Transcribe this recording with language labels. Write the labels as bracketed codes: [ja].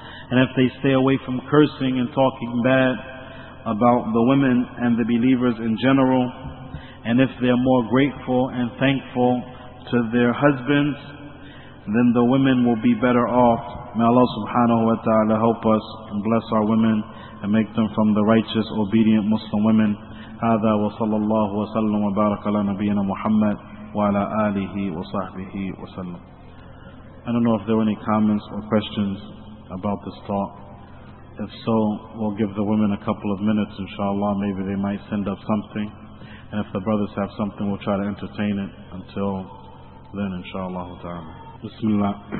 [en] and if they stay away from cursing and talking bad about the women and the believers in general, and if they are more grateful and thankful to their husbands, then the women will be better off. May Allah subhanahu wa ta'ala help us and bless our women and make them from the righteous, obedient Muslim women. [ar] هذا وصلى الله وسلم وبارك على نبينا محمد وعلى آله وصحبه وسلم. [en] I don't know if there were any comments or questions about this talk. If so, we'll give the women a couple of minutes, inshallah. Maybe they might send up something. And if the brothers have something, we'll try to entertain it until then, inshallah. Bismillah.